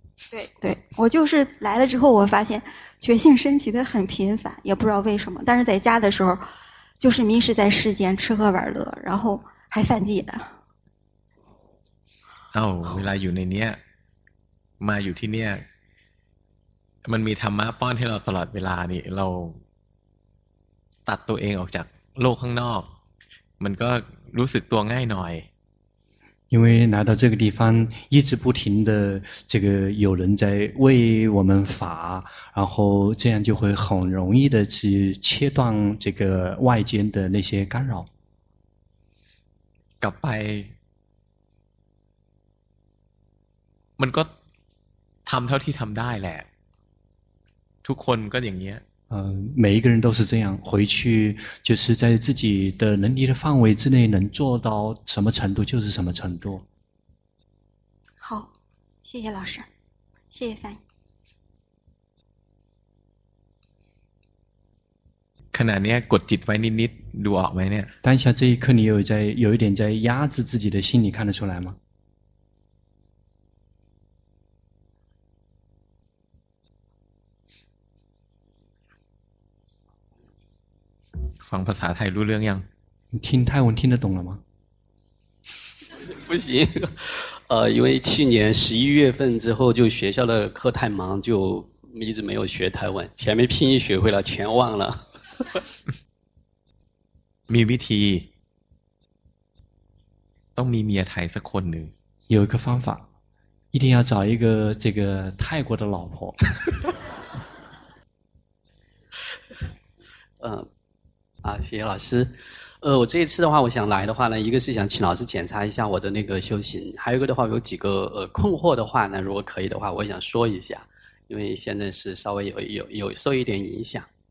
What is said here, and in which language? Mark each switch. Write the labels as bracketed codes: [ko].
[zh] 对对我就是来了之后我发现觉性升起的很频繁也不知道为什么但是在家的时候就是迷失在世间吃喝玩乐然后还犯戒的 [th] 哦เวลาอยู่ในเนี้ยมาอยู่ที่เนี้ยมันมีธรรมะป้อนให้เราตลอดเวลานี่เราตัดตัวเองออกจากโลกข้างนอกมันก็รู้สึกตัวง่ายหน่อย [zh] 因为来到这个地方一直不停的这个有人在为我们法然后这样就会很容易的去切断这个外间的那些干扰 [th] กลับไปมันก็ทำเท่าที่ทำได้แหละทุกคนก็อย่างนี้ [zh] 每一个人都是这样，回去就是在自己的能力的范围之内，能做到什么程度就是什么程度。好，谢谢老师，谢谢翻译。 [th] ขณะนี้กดจิตไว้นิดนิดดูออกไหมเนี่ย？ [zh] 当下这一刻，你有在有一点在压制自己的心，你看得出来吗？ [th] ฟังภาษาไทยรู้เรื่องยัง [zh] 听泰文听得懂了吗不行因为去年11月份之后就学校的课太忙就一直没有学泰文前面拼音学会了全忘了 [th] มีวิธีต้องมีเมียไทยสักคนหนึ่ง [zh] 有一个方法一定要找一个这个泰国的老婆啊，谢谢老师。我这一次的话，我想来的话呢，一个是想请老师检查一下我的那个修行，还有一个的话，有几个困惑的话呢，如果可以的话，我想说一下，因为现在是稍微有受一点影响。